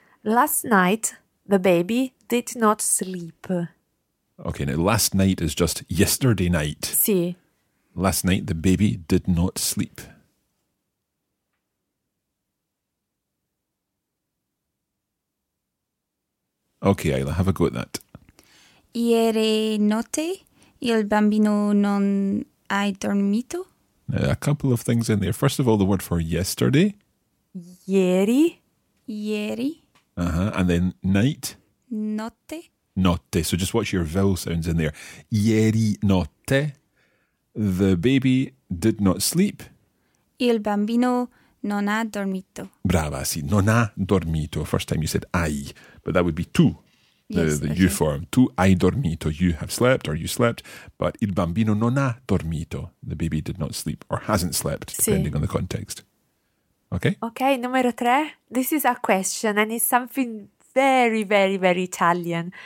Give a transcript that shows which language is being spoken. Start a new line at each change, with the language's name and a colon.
English: Last night the baby did not sleep. Okay, now last night is just yesterday night. Sì. Last night the baby did not sleep. Okay, Ayla, have a go at that.
Italian: Ieri notte il bambino non ha dormito.
English: Now, a couple of things in there. First of all, the word for yesterday.
Italian: Ieri
English: And then night.
Italian: notte. Notte.
English: So just watch your vowel sounds in there.
Italian: Ieri notte.
English: The baby did not sleep.
Italian: Il bambino non ha dormito. Brava, sì, non ha dormito.
English: First time you said hai, but that would be tu. Yes, The you okay. form,
Italian: tu hai dormito,
English: you have slept or you slept, but
Italian: il bambino non ha dormito,
English: the baby did not sleep or hasn't slept,
Italian: Sì.
English: depending on the context. Okay?
Italian: Okay, numero tre.
English: This is a question and it's something very, very, very Italian.